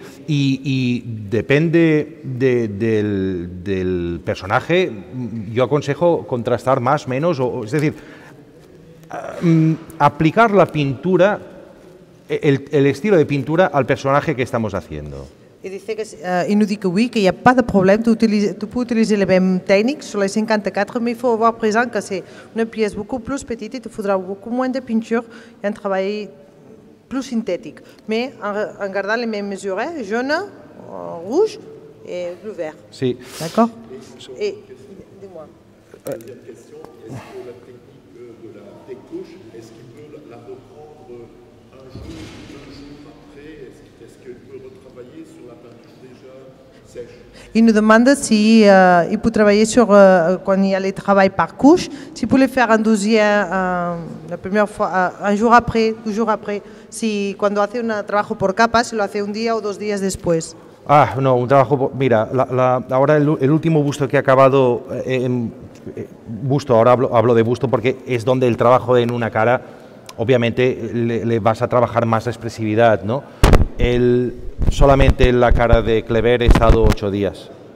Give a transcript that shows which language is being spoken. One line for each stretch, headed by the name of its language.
Spanish: Y depende del personaje. Yo aconsejo contrastar más, menos, o es decir. Aplicar la pintura, el estilo de pintura al personaje que estamos haciendo. Y dice que
French: nous dit que oui, que il y a pas de problème, tu peux utiliser la même technique sur les 54, mais il faut avoir présent que c'est une pièce beaucoup plus petite, il te faudra beaucoup moins de peinture y un travail plus synthétique, mais en gardant les mêmes mesures, jaune, rouge et bleu vert.
Spanish: Sí.
French: D'accord. Et dis-moi. Une question, est-ce que la technique de la des couches, est-ce qu'il peut la reprendre un jour, deux jours après? Est-ce qu'il peut retravailler sur la peinture déjà sèche? Il nous demande si il peut travailler sur quand il y a les travaux par couche, s'il peut les faire un deuxième, la première fois, un jour après, deux jours après, si quand il fait un travail par capa, si il le fait un jour ou deux jours après.
Spanish: Ah, no, un trabajo. Mira, ahora el último busto que he acabado, busto, ahora hablo de busto porque es donde el trabajo en una cara, obviamente le vas a trabajar más la expresividad, ¿no? Solamente en la cara de Kleber he estado 8 días.